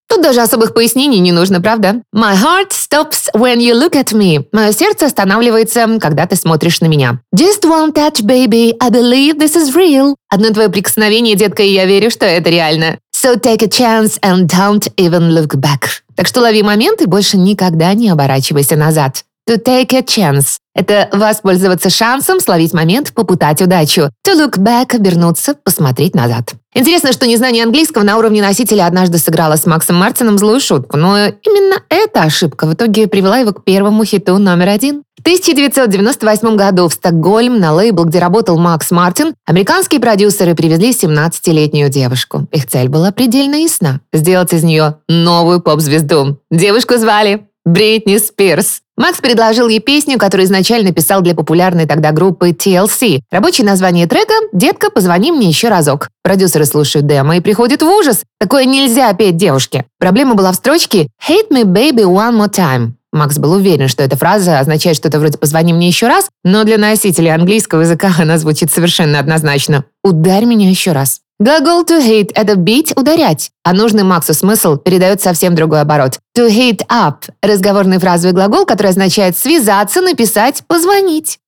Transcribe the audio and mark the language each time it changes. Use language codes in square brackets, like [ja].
[ru] Даже особых пояснений не нужно, правда? [en] My heart stops when you look at me. [ru] Мое сердце останавливается, когда ты смотришь на меня. [en] Just one touch, baby, I believe this is real. [ru] Одно твое прикосновение, детка, и я верю, что это реально. [en] So take a chance and don't even look back. [ru] Так что лови момент и больше никогда не оборачивайся назад. [en] To take a chance. [ru] Это воспользоваться шансом, словить момент, попытать удачу. [en] To look back, [ru] обернуться, посмотреть назад. Интересно, что незнание английского на уровне носителя однажды сыграло с Максом Мартином злую шутку, но именно эта ошибка в итоге привела его к первому хиту номер один. В 1998 году в Стокгольм на лейбл, где работал Макс Мартин, американские продюсеры привезли 17-летнюю девушку. Их цель была предельно ясна – сделать из нее новую поп-звезду. Девушку звали Бритни Спирс. Макс предложил ей песню, которую изначально писал для популярной тогда группы TLC. Рабочее название трека «Детка, позвони мне еще разок». Продюсеры слушают демо и приходят в ужас. Такое нельзя петь девушке. Проблема была в строчке [en] «Hit me, baby, one more time». [ru] Макс был уверен, что эта фраза означает что-то вроде «позвони мне еще раз», но для носителей английского языка она звучит совершенно однозначно. «Ударь меня еще раз». Глагол [en] «to hit» [ru] — это «бить, ударять», а нужный Максу смысл передает совсем другой оборот. [en] «To hit up» [ru] — разговорный фразовый глагол, который означает «связаться, написать, позвонить».